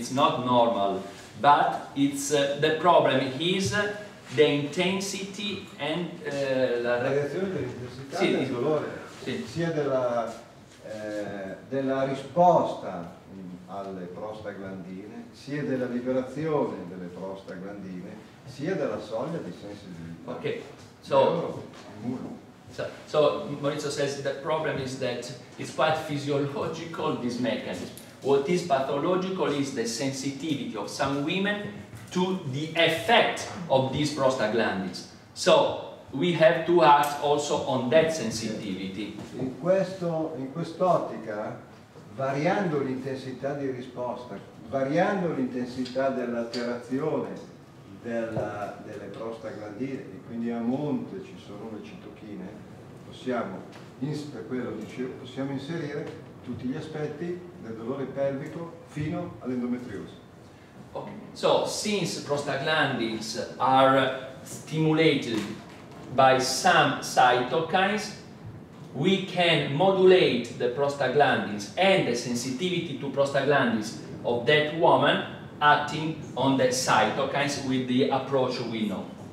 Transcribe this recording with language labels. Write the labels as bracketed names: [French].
[English] It's not normal, but it's the problem is the intensity and [Italian] la variazione dell'intensità del dolore, sia della risposta alle prostaglandine, sia della liberazione delle prostaglandine, sia della soglia di sensibilità. [English] Ok, so. So Maurizio says the problem is that it's quite physiological, this mechanism. What is pathological is the sensitivity of some women to the effect of these prostaglandins. So we have to act also on that sensitivity. [Italian] In quest'ottica, variando l'intensità di risposta, variando l'intensità dell'alterazione delle prostaglandine, e quindi a monte ci sono le citochine, possiamo inserire tutti gli aspetti del dolore pelvico fino all'endometriosi. [English] Okay. So, since prostaglandins are stimulated by some cytokines, we can modulate the prostaglandins and the sensitivity to prostaglandins of that woman acting on the cytokines with the approach we know.